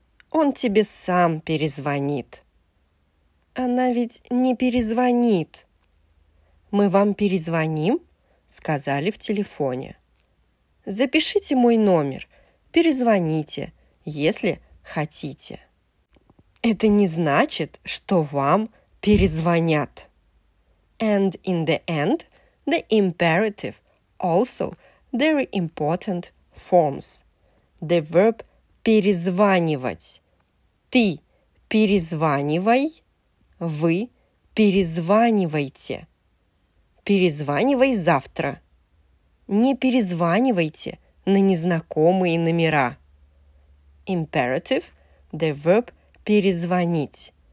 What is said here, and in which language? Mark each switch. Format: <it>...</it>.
<ru>Он тебе сам перезвонит. Она ведь не перезвонит. Мы вам перезвоним, сказали в телефоне. Запишите мой номер, перезвоните, если хотите. Это не значит, что вам перезвонят.</ru> <en>And in the end, the imperative also very important forms. The verb перезванивать.</en> <ru>Ты перезванивай, вы перезванивайте. Перезванивай завтра. Не перезванивайте на незнакомые номера.</ru> <en>Imperative – the verb перезвонить.</en>